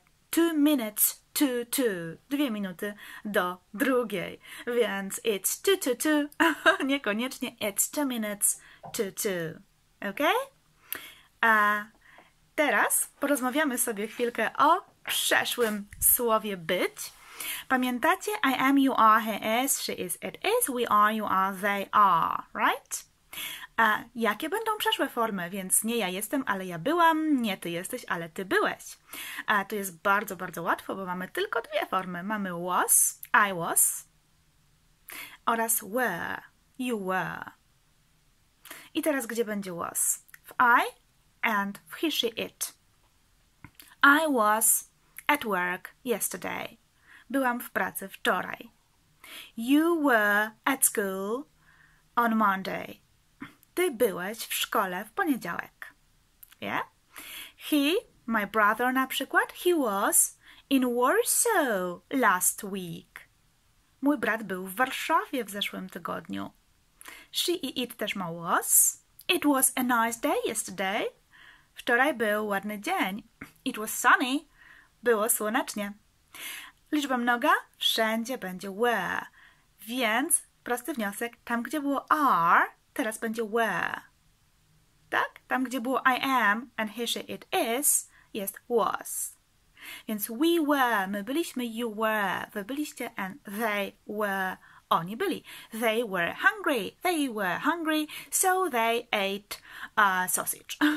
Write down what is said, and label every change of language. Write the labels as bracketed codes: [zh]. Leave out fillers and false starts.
[en] 2 minutes to 2, [pl] 2 minuty do drugiej. Więc [en] it's 2:22, [pl] niekoniecznie [en] it's 2 minutes to 2. Ok? [pl] A teraz porozmawiamy sobie chwilkę o przeszłym słowie być. Pamiętacie? [en] I am, you are, he is, she is, it is, we are, you are, they are, right? [pl] A jakie będą przeszłe formy? Więc nie ja jestem, ale ja byłam, nie ty jesteś, ale ty byłeś. A to jest bardzo, bardzo łatwo, bo mamy tylko dwie formy. Mamy was, [en] I was [pl] oraz were, [en] you were. [pl] I teraz gdzie będzie was? [en] W I? And he, she, it. I was at work yesterday. [pl] Byłam w pracy wczoraj. [en] You were at school on Monday. [pl] Ty byłeś w szkole w poniedziałek. Yeah? [en] He, my brother [pl] na przykład, [en] he was in Warsaw last week. [pl] Mój brat był w Warszawie w zeszłym tygodniu. She i it też ma was. [en] It was a nice day yesterday. [pl] Wczoraj był ładny dzień. [en] It was sunny. [pl] Było słonecznie. Liczba mnoga? Wszędzie będzie were. Więc prosty wniosek. Tam, gdzie było are, teraz będzie were. Tak? Tam, gdzie było [en] I am and he, she, it is, [pl] jest was. Więc [en] we were, [pl] my byliśmy, [en] you were, [pl] wy byliście [en] and they were, [pl] oni byli. [en] They were hungry. They were hungry, so they ate sausage.